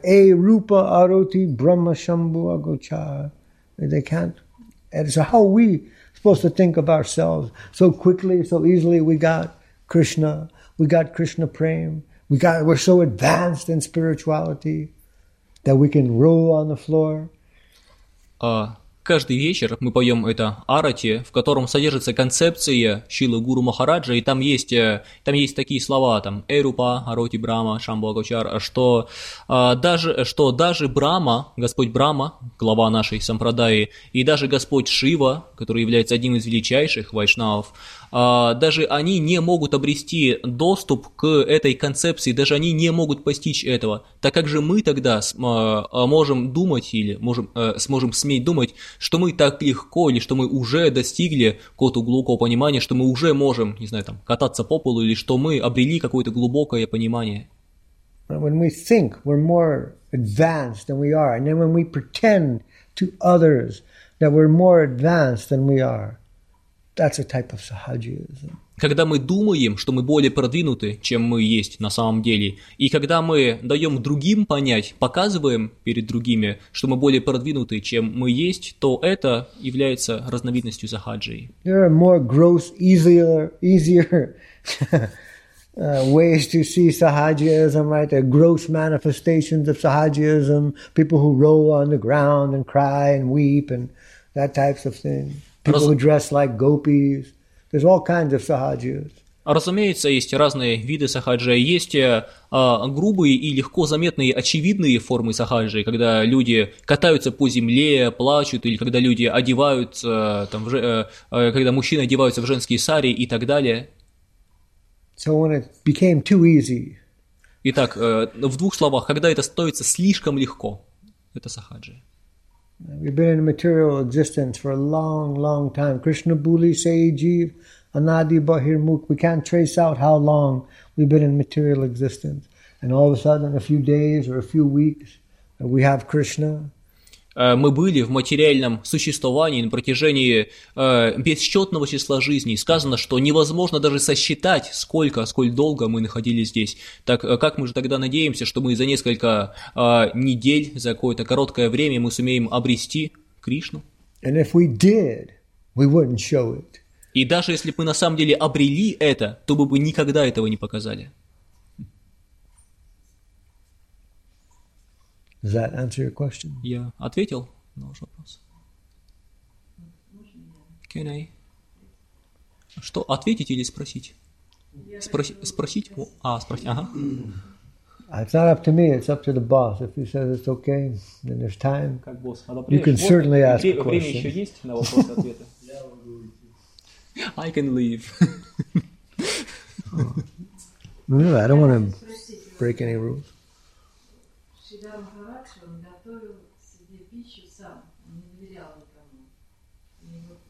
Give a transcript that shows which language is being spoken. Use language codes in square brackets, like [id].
[bn] A rupa aroti brahma shambhu agochar. [en] They can't. And so how are we supposed to think of ourselves? So quickly, so easily, we got Krishna, we got Krishna prema, we're so advanced in spirituality that we can roll on the floor. [ru] Каждый вечер мы поем это арати, в котором содержится концепция Шрилы Гуру Махараджа, и там есть такие слова, там Эрупа, Ароти Брама, Шамбхагачар, что даже Брама, Господь Брама, глава нашей сампрадаи, и даже Господь Шива, который является одним из величайших вайшнавов, даже они не могут обрести доступ к этой концепции, даже они не могут постичь этого. Так как же мы тогда можем думать или сможем сметь думать, что мы так легко или что мы уже достигли какого-то глубокого понимания, что мы уже можем, не знаю, там, кататься по полу или что мы обрели какое-то глубокое понимание. [en] When we think we're more advanced than we are, and then when we pretend to others that we're more advanced than we are, that's a type of sahajism. [ru] Когда мы думаем, что мы более продвинуты, чем мы есть на самом деле, и когда мы даем другим понять, показываем перед другими, что мы более продвинуты, чем мы есть, то это является разновидностью сахаджи. [en] There are more gross, easier ways to see sahajism, right? There are gross manifestations of sahajism, people who roll on the ground and cry and weep and that types of thing. People who dress like gopis. There's all kinds of sahajis. [ru] Разумеется, есть разные виды сахаджи. Есть грубые и легко заметные очевидные формы сахаджи, когда люди катаются по земле, плачут, или когда люди одеваются, когда мужчины одеваются в женские сари и так далее. [en] So when it became too easy. [ru] Итак, в двух словах, когда это становится слишком легко, это сахаджи. [en] We've been in material existence for a long, long time. [bn] Krishna Buli Seiji, Anadi Bahir Mukh. [en] We can't trace out how long we've been in material existence. And all of a sudden, a few days or a few weeks, we have Krishna. [ru] Мы были в материальном существовании на протяжении бесчетного числа жизней. Сказано, что невозможно даже сосчитать, сколько долго мы находились здесь. Так как мы же тогда надеемся, что мы за несколько недель, за какое-то короткое время мы сумеем обрести Кришну? [en] And if we did, we wouldn't show it. [ru] И даже если бы мы на самом деле обрели это, то мы бы никогда этого не показали. [en] Does that answer your question? [ru] Я ответил на ваш вопрос. [en] Can I? [ru] Что, ответить или спросить? Спросить? Спросить, ага. [en] It's not up to me, it's up to the boss. If he says it's okay, then there's time. [ru] Как босс, [en] you can certainly ask [ru] время [en] a question. [ru] Время еще есть на вопрос-ответы? [en] I can leave. Oh. No, I don't want to break any rules. [ru] Шридхар Махарадж, он готовил себе пищу сам, он не доверял никому.